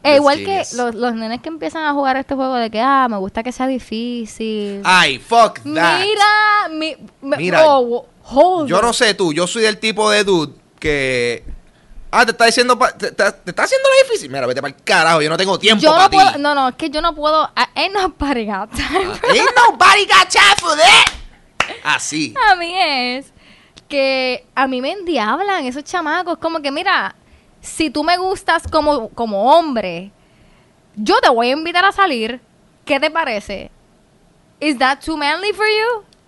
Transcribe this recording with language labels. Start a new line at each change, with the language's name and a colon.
Spanish: Igual que los nenes que empiezan a jugar este juego de que, ah, me gusta que sea difícil.
English: ¡Ay, fuck that!
Spanish: ¡Mira! Mira, yo no sé tú, yo soy del tipo de dude que... Ah, te está diciendo... ¿Te está haciendo la difícil? Mira, vete para el carajo, yo no tengo tiempo para ti. No, es que yo no puedo...
English: Ain't nobody got time. Ain't nobody got time for that!
Spanish: Así. A mí es que a mí me endiablan esos chamacos. Como que, mira... Si tú me gustas como hombre, yo te voy a invitar a salir. ¿Qué te parece?
English: Is that too manly for you?